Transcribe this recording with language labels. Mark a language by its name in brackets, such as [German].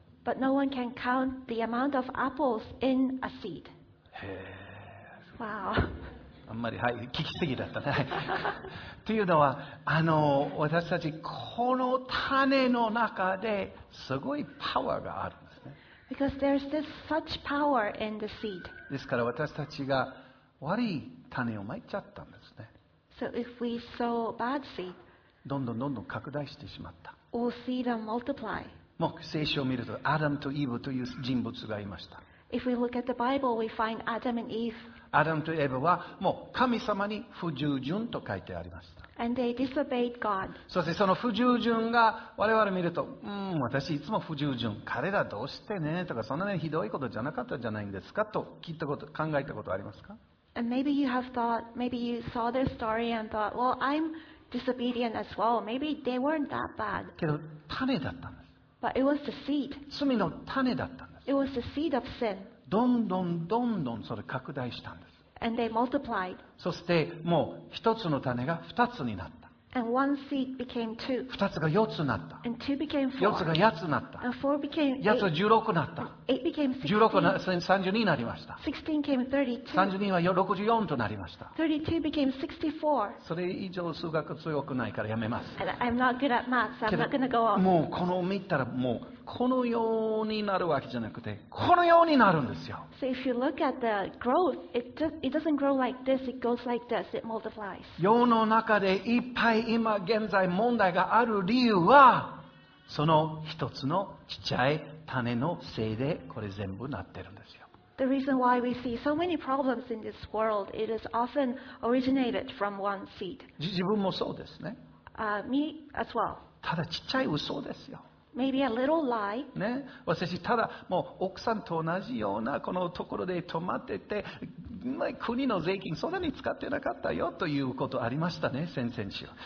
[English] But no one can count the amount of apples in a seed. [Japanese] へえ。 [English] Wow. [Japanese] あんまり、はい、聞きすぎだったね。というのは私たちこの種の中ですごいパワーがあるんですね。 [English] Because there's this such power in the seed. [Japanese] ですから私たちが悪い種をまいちゃったんですね。 [English] So if we sow bad seed, [Japanese] どんどんどんどん拡大してしまった。 [English] We'll see them multiply. [Japanese] もう聖書を見るとアダムとイブという人物がいました。 [English] If we look at the Bible, we find Adam and Eve. [Japanese] アダムとエヴァはもう神様に不従順と書いてありました。 [English] And they disobeyed God. [Japanese] そしてその不従順が我々見ると、私いつも不従順。彼らどうしてねとかそんなひどいことじゃなかったじゃないんですかと聞いたこと考えたことありますか？ [English] And maybe you have thought, maybe you saw their story and thought, well, I'm disobedient as well. Maybe they weren't that bad. [Japanese] けど種だったんです。 [English] But it was the seed. [Japanese] 罪の種だったんです。 [English] It was the seed of sin. [Japanese] どんどんどんどんそれ拡大したんです。 [English] And they multiplied. [Japanese] そしてもう一つの種が二つになった。 [English] And one seed became two. [Japanese] 二つが四つになった。 [English] And two became four. [Japanese] 四つが八つになった。 [English] And four became eight. [Japanese] 八つは十六になった。 [English] Eight became sixteen. [Japanese] 十六が三十二になりました。 [English] Sixteen became thirty-two. [Japanese] 三十二は六十四となりました。 [English] Thirty-two became sixty-four. [Japanese] それ以上数学強くないからやめます。 [English] And I'm not good at math, so I'm not going to go on. [Japanese] もうこの見たらもう。このようになるわけじゃなくて、このようになるんですよ。 [English] So if you look at the growth, it doesn't grow like this. It goes like this. It multiplies. [Japanese] 世の中でいっぱい今現在問題がある理由は、その一つのちっちゃい種のせいでこれ全部なってるんですよ。 [English] The reason why we see so many problems in this world, it is often originated from one seed. [Japanese] 自分もそうですね。 [English] Me as well. [Japanese] ただちっちゃい嘘ですよ。 [English] Maybe a little lie. [Japanese] ね、私ただもう奥さんと同じようなこのところで泊まってて、国の税金そんなに使ってなかったよということありましたね、先々週。